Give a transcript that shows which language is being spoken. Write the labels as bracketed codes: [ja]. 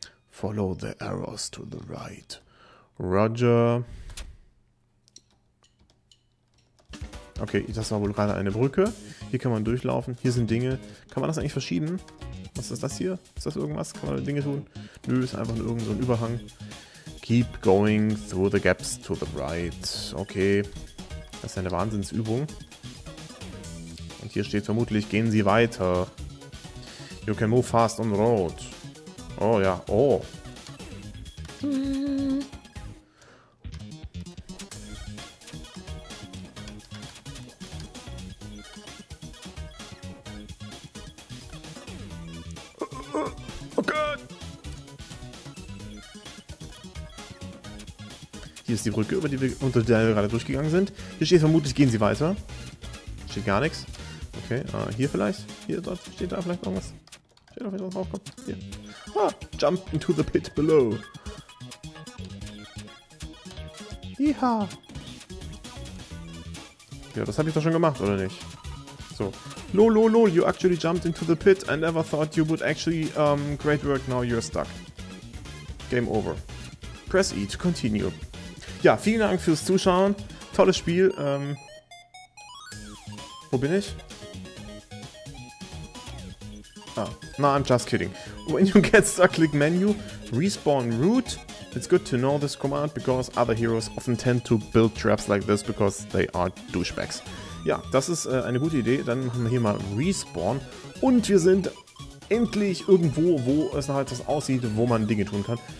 [en] Follow the arrows to the right. Roger. [de] Okay, das war wohl gerade eine Brücke. Hier kann man durchlaufen. Hier sind Dinge. Kann man das eigentlich verschieben? Was ist das hier? Ist das irgendwas? Kann man Dinge tun? Nö, ist einfach nur irgend so ein Überhang. [en] Keep going through the gaps to the right. [de] Okay. Das ist eine Wahnsinnsübung. Und hier steht vermutlich, gehen Sie weiter. [en] You can move fast on the road. [de] Oh ja, oh. Oh Gott! Hier ist die Brücke, über die wir unter der wir gerade durchgegangen sind. Hier steht vermutlich, gehen Sie weiter. Steht gar nichts. Okay, hier vielleicht. Hier, dort steht da vielleicht noch was. Steht da vielleicht noch was. Hier. [en] Ah, jump into the pit below. Yeeha. [de] Ja, das habe ich doch schon gemacht, oder nicht? So. [en] Lol, lol, lol, you actually jumped into the pit and never thought you would actually, great work, now you're stuck. Game over. Press E to continue. [de] Ja, vielen Dank fürs Zuschauen. Tolles Spiel, wo bin ich? [en] Oh. No, I'm just kidding. When you get stuck, click menu, respawn route. It's good to know this command, because other heroes often tend to build traps like this, because they are douchebags. [de] Ja, das ist eine gute Idee. Dann machen wir hier mal respawn. Und wir sind endlich irgendwo, wo es nach etwas aussieht, wo man Dinge tun kann.